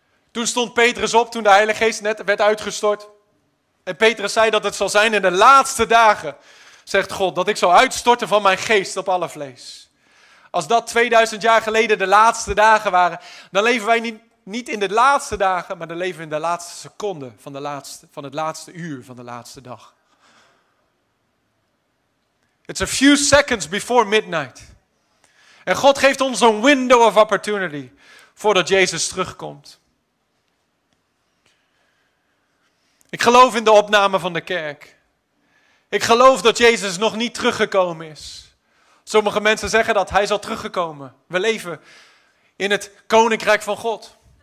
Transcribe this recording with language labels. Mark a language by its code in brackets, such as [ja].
[nl] Toen stond Petrus op, toen de Heilige Geest net werd uitgestort. En Petrus zei dat het zal zijn in de laatste dagen, zegt God, dat ik zal uitstorten van mijn geest op alle vlees. Als dat 2000 jaar geleden de laatste dagen waren, dan leven wij niet in de laatste dagen, maar dan leven we in de laatste seconde van het laatste uur van de laatste dag. [en] It's a few seconds before midnight. [nl] En God geeft ons een [en] window of opportunity [nl] voordat Jezus terugkomt. Ik geloof in de opname van de kerk. Ik geloof dat Jezus nog niet teruggekomen is. Sommige mensen zeggen dat hij is al teruggekomen. We leven in het koninkrijk van God.